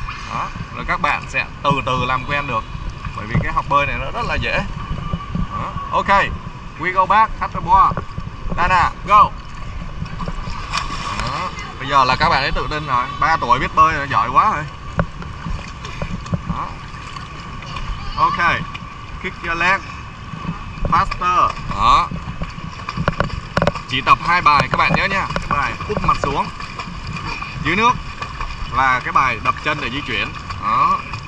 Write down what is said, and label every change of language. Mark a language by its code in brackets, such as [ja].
[vi] Đó, rồi các bạn sẽ từ từ làm quen được, bởi vì cái học bơi này nó rất là dễ. Đó. [en] Ok, we go back, cut the board. Dana, go. [vi] Đó. Bây giờ là các bạn ấy tự tin rồi, 3 tuổi biết bơi rồi, giỏi quá rồi. Đó. [en] Ok, kick your leg faster. [vi] Đó. Chỉ tập 2 bài các bạn nhớ nha. Cái bài úp mặt xuống dưới nước là cái bài đập chân để di chuyển. Đó.